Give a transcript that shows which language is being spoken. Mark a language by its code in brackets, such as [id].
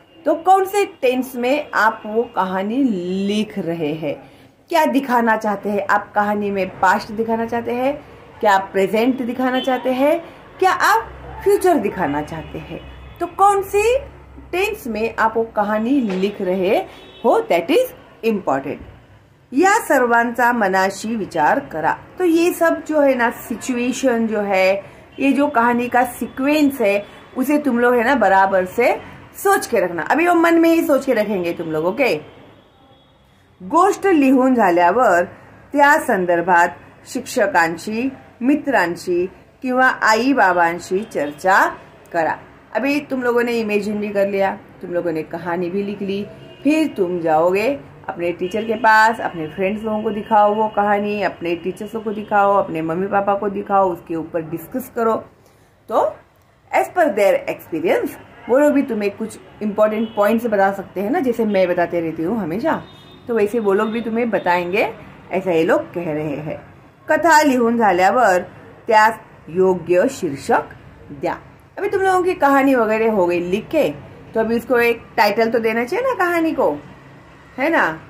[hi] तो कौन से टेंस में आप वो कहानी लिख रहे हैं, क्या दिखाना चाहते हैं आप कहानी में, पास्ट दिखाना चाहते हैं, क्या आप प्रेजेंट दिखाना चाहते हैं, क्या आप फ्यूचर दिखाना चाहते हैं, तो कौन से टेंस में आप वो कहानी लिख रहे हो, [en] That is important. [mr] या सर्वांचा मनाशी विचार करा, तो ये सब जो है ना सिचुएशन जो है, ये जो कहानी का सीक्वेंस है उसे तुम लोग है ना बराबर से [hi] सोच के रखना, अभी वो मन में ही सोच के रखेंगे तुम लोग, ओके। [mr] गोष्ट लिहून झाल्यावर त्या संदर्भात शिक्षकांशी, मित्रांशी किंवा आई बाबांशी चर्चा करा। [hi] अभी तुम लोगों ने इमेजिन भी कर लिया, तुम लोगों ने कहानी भी लिख ली, फिर तुम जाओगे अपने टीचर के पास, अपने फ्रेंड्स लोगों को दिखाओ वो कहानी, अपने टीचर्स को दिखाओ, अपने मम्मी पापा को दिखाओ, उसके ऊपर डिस्कस करो, तो [en] as per their experience [hi] वो लोग भी तुम्हें कुछ इंपॉर्टेंट पॉइंट्स बता सकते हैं ना, जैसे मैं बताते रहती हूँ हमेशा, तो वैसे वो लोग भी तुम्हें बताएंगे, ऐसा ये लोग कह रहे हैं। [mr] कथा लिहून झाल्यावर त्यास योग्य शीर्षक द्या। [hi] अभी तुम लोगों की कहानी वगैरह हो गई लिख के, तो अभी उसको एक टाइटल तो देना चाहिए ना कहानी को, है ना।